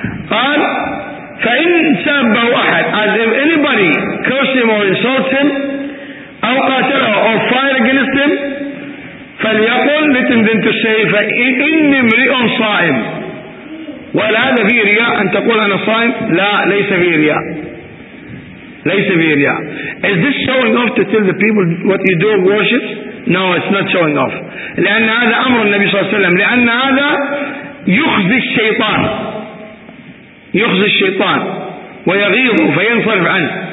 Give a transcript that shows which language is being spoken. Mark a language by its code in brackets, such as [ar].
[ar] قال فإن سابه أحد, [en] as if anybody cursed him or insults him [ar] أو قاتله [en] or fired against him, [ar] فليقل, [en] let him then to say, [ar] فإني امرئ صائم. ولا هذا في رياء أن تقول أنا صائم؟ لا, ليس في رياء, ليس في رياء. [en] Is this showing off to tell the people what you do worship? No, it's not showing off. [ar] لأن هذا أمر النبي صلى الله عليه وسلم, لأن هذا يخزي الشيطان, يخزي الشيطان ويغيظ فينصرف عنه.